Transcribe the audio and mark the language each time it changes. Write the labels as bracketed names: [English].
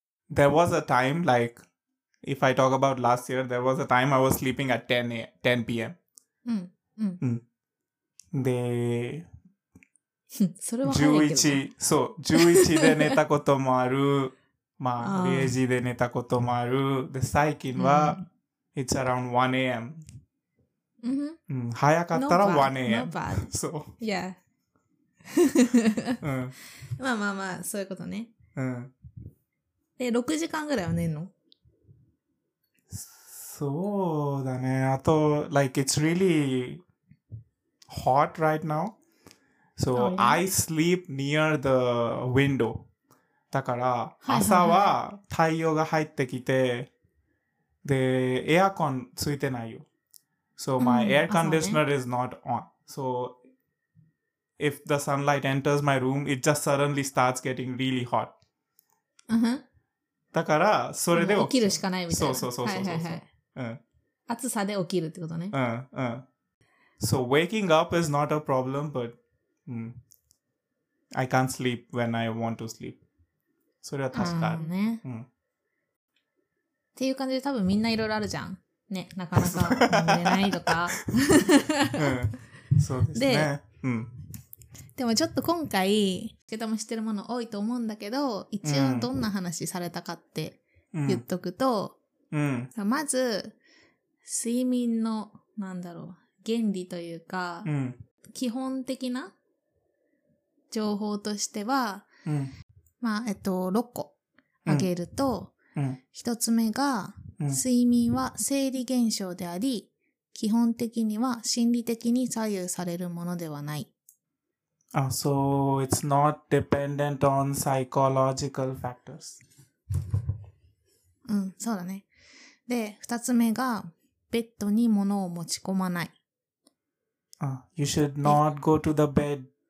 [English] There was a time, like, if I talk about last year, there was a time I was sleeping at 10 p.m. [Japanese] うん、うん。うん、で、それは早いけど、ね、11、そう、11で寝たこともある。まあ、0時で寝たこともある。で、最近は、 [English] うん、It's around 1 a.m.、 [Japanese] うん、うん。早かったら1 a.m. [English] Not bad. [Japanese] そう。 [English] Yeah. 、 [Japanese] うん、まあまあまあ、そういうことね。うん。で、6時間ぐらいは寝んの？そうだね。あと、 [English] like, it's really hot right now. So,、oh, yeah. I sleep near the window. [Japanese] だから朝は太陽が入ってきて、はいはいはい、でエアコンついてないよ。 [English] So my、うん、air conditioner、ね、is not on. So if the sunlight enters my room, it just suddenly starts getting really hot. [Japanese] うん、ん。だからそれで起きるしかないみたいな。そうそうそうそうそう。はいはいはい、うん。暑さで起きるってことね。うんうん。 [English] So waking up is not a problem, but、I can't sleep when I want to sleep. [Japanese] それは確かに、ね。うん。っていう感じで多分みんないろいろあるじゃん。ね、なかなか寝ないとか。うん。そうですね。で、うん。でもちょっと今回、受け止めしてるもの多いと思うんだけど、一応どんな話されたかって言っとくと、うん。うん、まず、睡眠の、なんだろう、原理というか、うん、基本的な情報としては、うん。まあ、6個あげると、うん、 1つ目が、うん、睡眠は生理現象であり、基本的には心理的に左右されるものではない。 [English] あ、so it's not dependent on psychological factors. [Japanese] うん、そうだね。で、2つ目が、ベッドに物を持ち込まない。 [English] あ、you should not go to the bed.